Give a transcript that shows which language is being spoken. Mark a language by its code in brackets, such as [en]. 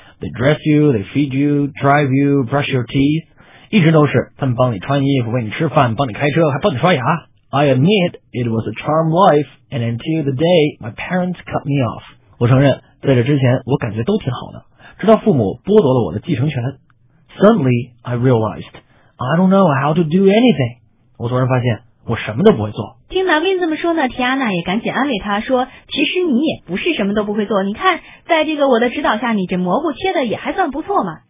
[en] They dress you, they feed you, drive you, brush your teeth. [zh] 一直都是，他们帮你穿衣服，为你吃饭，帮你开车，还帮你刷牙。 [en] I admit, it was a charm life, and until the day my parents cut me off. [zh] 我承认，在这之前，我感觉都挺好的，直到父母剥夺了我的继承权。 [en] Suddenly, I realized, I don't know how to do anything. [zh] 我突然发现，我什么都不会做。听 Naveen 这么说呢， Tiana 也赶紧安慰他说，其实你也不是什么都不会做，你看在这个我的指导下，你这蘑菇切的也还算不错嘛。